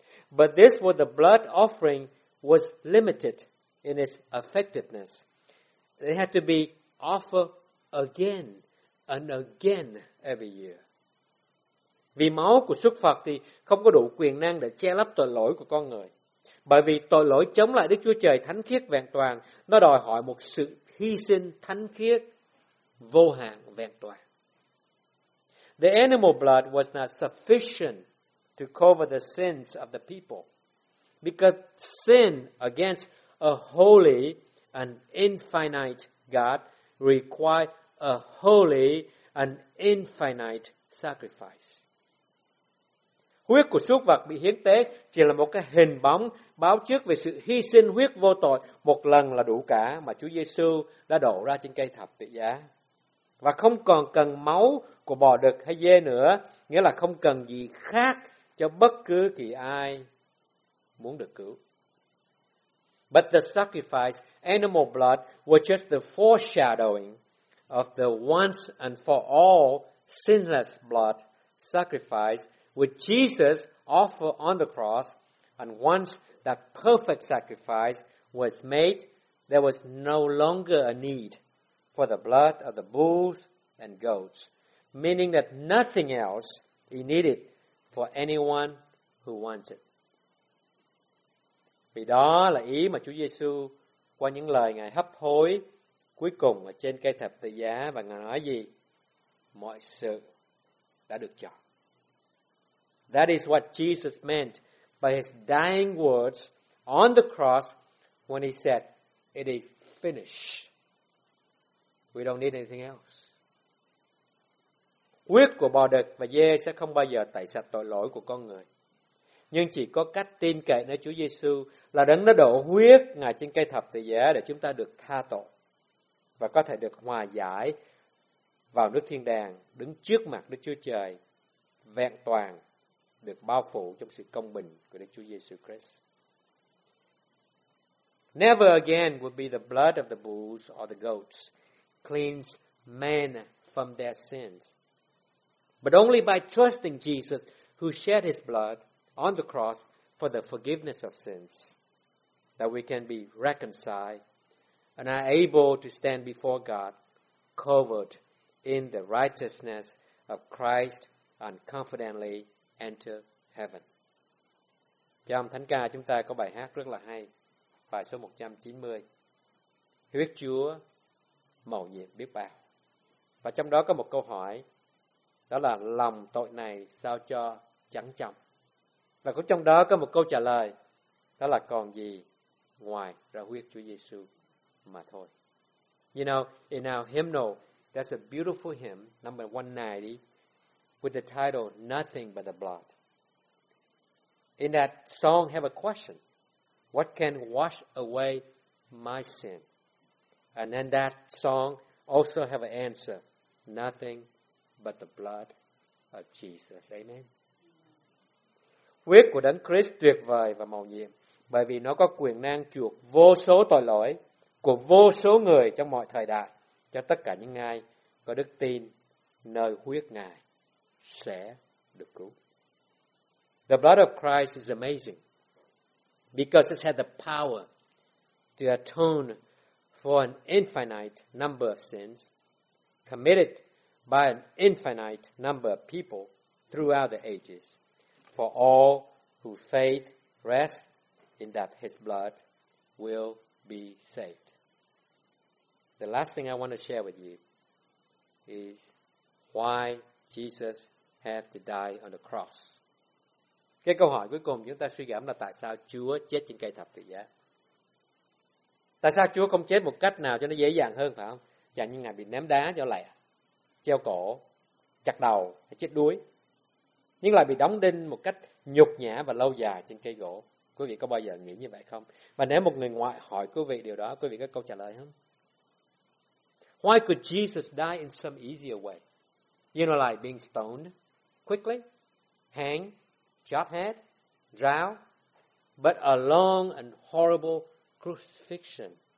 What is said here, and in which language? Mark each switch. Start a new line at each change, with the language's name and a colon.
English: But this was the blood offering was limited in its effectiveness. It had to be offered again and again every year.
Vietnamese: Vì máu của súc vật thì không có đủ quyền năng để che lấp tội lỗi của con người. Bởi vì tội lỗi chống lại Đức Chúa Trời thánh khiết vẹn toàn, nó đòi hỏi một sự hy sinh thánh khiết vô hạn vẹn toàn.
English: The animal blood was not sufficient to cover the sins of the people, because sin against a holy and infinite God required a holy and infinite sacrifice.
Vietnamese: Huyết của súc vật bị hiến tế chỉ là một cái hình bóng báo trước về sự hy sinh huyết vô tội một lần là đủ cả mà Chúa Giê-xu đã đổ ra trên cây thập tự giá. Và không còn cần máu của bò đực hay dê nữa, nghĩa là không cần gì khác cho bất cứ kỳ ai muốn được cứu.
English: But the sacrifice, animal blood, was just the foreshadowing of the once and for all sinless blood sacrifice which Jesus offered on the cross, and once that perfect sacrifice was made, there was no longer a need for the blood of the bulls and goats, meaning that nothing else is needed for anyone who wants it.
Vietnamese: Vì đó là ý mà Chúa Giê-xu qua những lời Ngài hấp hối cuối cùng ở trên cây thập tự giá, và Ngài nói gì? Mọi sự đã được chọn.
English: That is what Jesus meant by his dying words on the cross when he said, "It is finished. We don't need anything else."
Vietnamese: Huyết của bò đực và dê sẽ không bao giờ tẩy sạch tội lỗi của con người. Nhưng chỉ có cách tin cậy nơi Chúa Giê-xu là đấng đã đổ huyết Ngài trên cây thập tự giá để chúng ta được tha tội và có thể được hòa giải vào nước thiên đàng, đứng trước mặt Đức Chúa Trời, vẹn toàn, được bao phủ trong sự công bình của Đức Chúa Giê-xu Christ.
English: Never again would be the blood of the bulls or the goats cleanse men from their sins. But only by trusting Jesus, who shed his blood on the cross for the forgiveness of sins, that we can be reconciled and are able to stand before God, covered in the righteousness of Christ, and confidently enter heaven.
Vietnamese: Trong thánh ca chúng ta có bài hát rất là hay, bài số 190. Huyết Chúa, mầu nhiệm biết bao. Và trong đó có một câu hỏi, đó là lòng tội này sao cho trắng trong. Và cũng trong đó có một câu trả lời, đó là còn gì ngoài ra huyết Chúa Giê-xu mà thôi.
English: You know, in our hymnal, that's a beautiful hymn, number 190, with the title Nothing But the Blood. In that song, have a question. What can wash away my sin? And then that song also have an answer. Nothing but the blood of Jesus. Amen.
Vietnamese: Huyết của Đấng Christ tuyệt vời và mầu nhiệm, bởi vì nó có quyền năng chuộc vô số tội lỗi của vô số người trong mọi thời đại, cho tất cả những ai có đức tin nơi huyết Ngài sẽ được cứu.
English: The blood of Christ is amazing because it has the power to atone for an infinite number of sins committed by an infinite number of people throughout the ages, for all whose faith rests in that his blood will be saved. The last thing I want to share with you is why Jesus had to die on the cross.
Vietnamese: Cái câu hỏi cuối cùng chúng ta suy gẫm là tại sao Chúa chết trên cây thập tự giá? Tại sao Chúa không chết một cách nào cho nó dễ dàng hơn, phải không? Chẳng như Ngài bị ném đá cho lẹ, treo cổ, chặt đầu hay chết đuối, nhưng lại bị đóng đinh một cách nhục nhã và lâu dài trên cây gỗ. Quý vị có bao giờ nghĩ như vậy không? Và nếu một người ngoại hỏi quý vị điều đó, quý vị có câu trả lời không?
English: Why could Jesus die in some easier way? You know, like being stoned quickly, hang, chopped head, drowned, but a long and horrible crucifixion.